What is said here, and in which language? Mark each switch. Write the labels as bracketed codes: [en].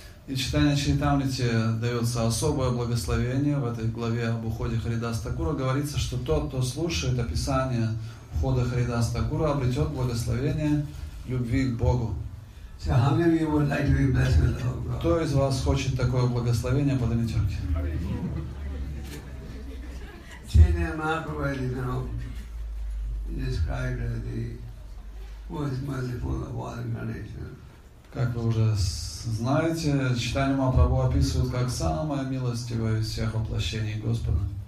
[ru] И читание Чайтамрити дается особое благословение. В этой главе об уходе Харидас Такура говорится, что тот, кто слушает описание ухода Харидас Такура, обретет благословение любви к Богу. [en] So how many of you would like to be blessed with love, God? [ru] Кто из вас хочет такое благословение, поднимите руки. [en] Чайтанья Махапрабху, you know, described as the most merciful of all incarnations. [ru] Как вы уже знаете, Чайтанья Махапрабху описывает как самое милостивое из всех воплощений Господа.